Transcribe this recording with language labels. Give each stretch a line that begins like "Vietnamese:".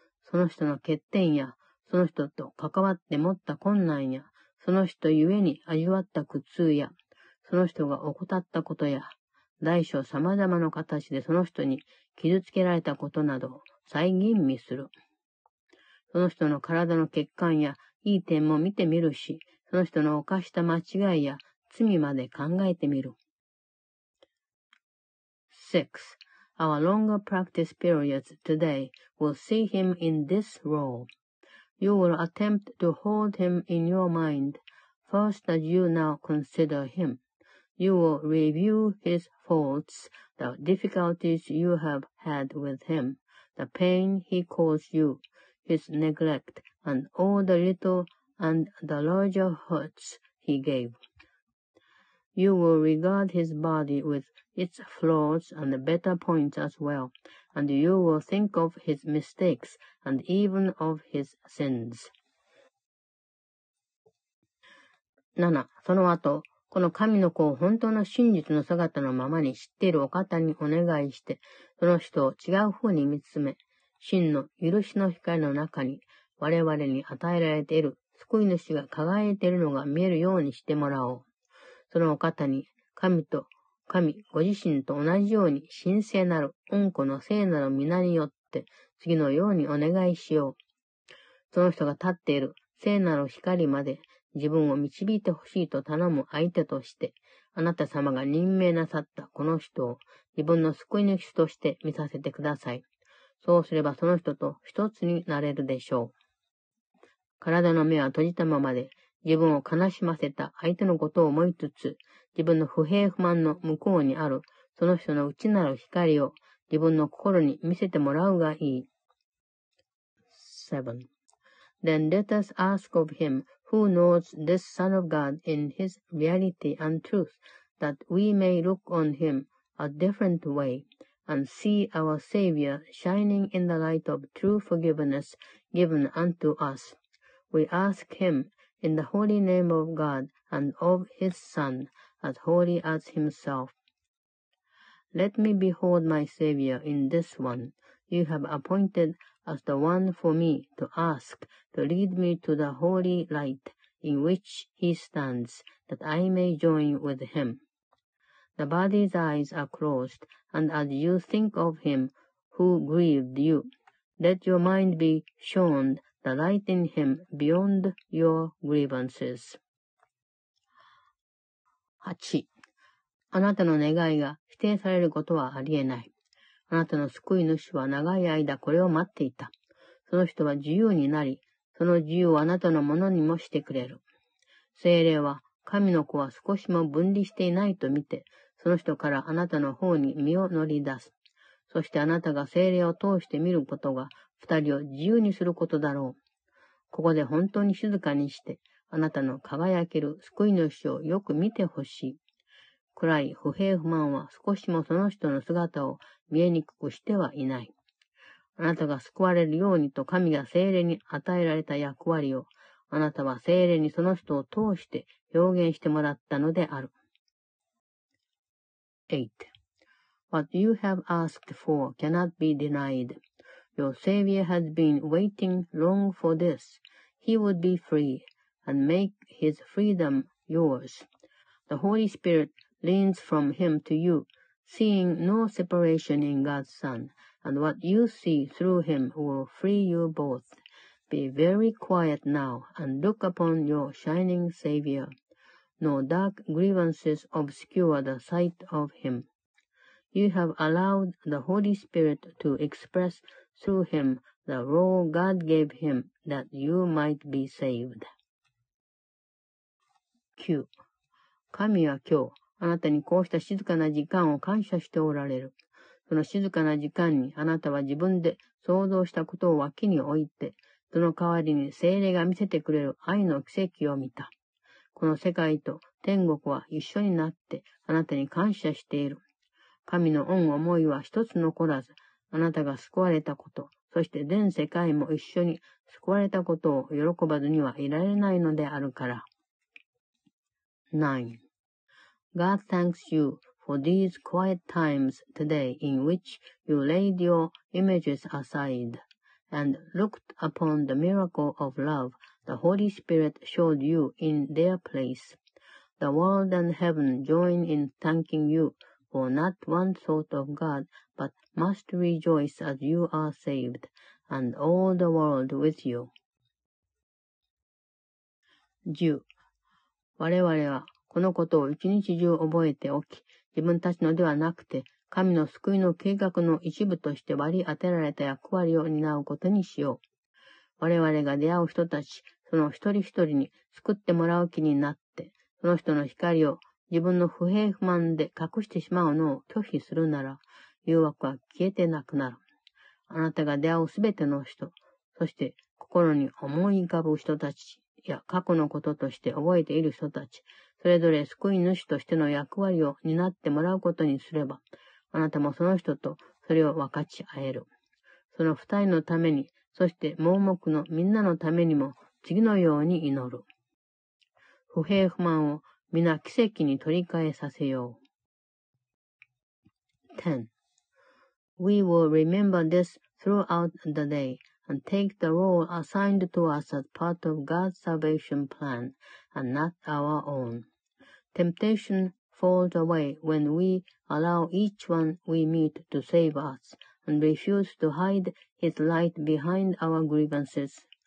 Japanese: その人の欠点や、その人と関わって持った困難や、その人ゆえに味わった苦痛や、その人が怠ったことや、大小様々の形でその人に傷つけられたことなどを再吟味する。その人の体の欠陥やいい点も見てみるし、その人の犯した間違いや罪まで考えてみる。
English: 6. Our longer practice periods today will see him in this role. You will attempt to hold him in your mind, first as you now consider him. You will review his faults, the difficulties you have had with him, the pain he caused you, his neglect, and all the little and the larger hurts he gave. You will regard his body with its flaws and better points as well, and you will think of his mistakes and even of his sins.
Japanese: 7. その後。この神の子を本当の真実の姿のままに知っているお方にお願いして、その人を違う風に見つめ、真の許しの光の中に我々に与えられている救い主が輝いているのが見えるようにしてもらおう。そのお方に神と神ご自身と同じように神聖なる御子の聖なる皆によって次のようにお願いしよう。その人が立っている聖なる光まで、自分を導いてほしいと頼む相手として、あなた様が任命なさったこの人を自分の救い主として見させてください。そうすればその人と一つになれるでしょう。体の目は閉じたままで、自分を悲しませた相手のことを思いつつ、自分の不平不満の向こうにあるその人の内なる光を自分の心に見せてもらうがいい。
English: 7. Then let us ask of him who knows this Son of God in his reality and truth, that we may look on him a different way and see our Savior shining in the light of true forgiveness given unto us. We ask him in the holy name of God and of his Son, as holy as himself. Let me behold my Savior in this one you have appointed as the one for me to ask to lead me to the holy light in which he stands, that I may join with him. The body's eyes are closed, and as you think of him who grieved you, let your mind be shown the light in him beyond your grievances. 8.
Japanese: あなたの願いが否定されることはありえない。あなたの救い主は長い間これを待っていた。その人は自由になり、その自由をあなたのものにもしてくれる。聖霊は神の子は少しも分離していないと見て、その人からあなたの方に身を乗り出す。そしてあなたが聖霊を通して見ることが二人を自由にすることだろう。ここで本当に静かにして、あなたの輝ける救い主をよく見てほしい。暗い不平不満は少しもその人の姿を見えにくくしてはいない。あなたが救われるようにと神が聖霊に与えられた役割を、あなたは聖霊にその人を通して表現してもらったのである。
English: 8. What you have asked for cannot be denied. Your Savior has been waiting long for this. He would be free and make his freedom yours. The Holy Spirit leans from him to you, seeing no separation in God's Son, and what you see through him will free you both. Be very quiet now and look upon your shining Savior. No dark grievances obscure the sight of him. You have allowed the Holy Spirit to express through him the role God gave him that you might be saved.
Japanese: 神は今日、あなたにこうした静かな時間を感謝しておられる。その静かな時間にあなたは自分で想像したことを脇に置いて、その代わりに聖霊が見せてくれる愛の奇跡を見た。この世界と天国は一緒になってあなたに感謝している。神の御思いは一つ残らず、あなたが救われたこと、そして全世界も一緒に救われたことを喜ばずにはいられないのであるから。
English: 9. God thanks you for these quiet times today in which you laid your images aside and looked upon the miracle of love. The Holy Spirit showed you in their place. The world and heaven join in thanking you for not one thought of God, but must rejoice as you are saved, and all the world with you.
Japanese: 10. 我々はこのことを一日中覚えておき、自分たちのではなくて、神の救いの計画の一部として割り当てられた役割を担うことにしよう。我々が出会う人たち、その一人一人に救ってもらう気になって、その人の光を自分の不平不満で隠してしまうのを拒否するなら、誘惑は消えてなくなる。あなたが出会うすべての人、そして心に思い浮かぶ人たちや過去のこととして覚えている人たち、それぞれ救い主としての役割を担ってもらうことにすれば、あなたもその人とそれを分かち合える。その二人のために、そして盲目のみんなのためにも、次のように祈る。不平不満を皆奇跡に取り替えさせよう。
English: 10. We will remember this throughout the day and take the role assigned to us as part of God's salvation plan and not our own. Temptation falls away when we allow each one we meet to save us and refuse to hide his light behind our grievances.